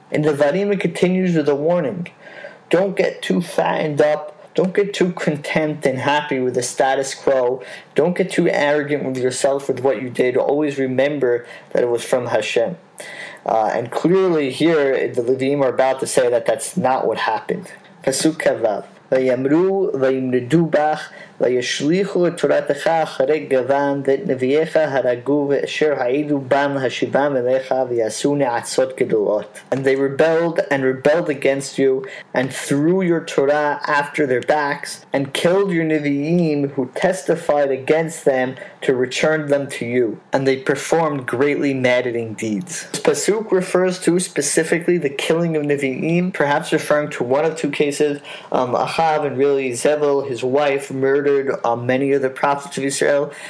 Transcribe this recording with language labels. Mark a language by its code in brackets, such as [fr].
[en] In Devarim, it continues with a warning. Don't get too fattened up. Don't get too content and happy with the status quo. Don't get too arrogant with yourself with what you did. Always remember that it was from Hashem. And clearly here, the Levim are about to say that that's not what happened. Pasuk Kavav. [he] ויאמרו וימרדו בך וישליחו את תורתך אחרי גוון ואת נביאך הרגו ואשר העידו בן השיבם אליך ויעשו נעצות גדולות. [en] And they rebelled and rebelled against you and threw your Torah after their backs and killed your Nevi'im who testified against them to return them to you. And they performed greatly maddening deeds. This pasuk refers to specifically the killing of Nevi'im, perhaps referring to one of two cases, Ahav and really Zebel, his wife, murdered many of the prophets of Israel.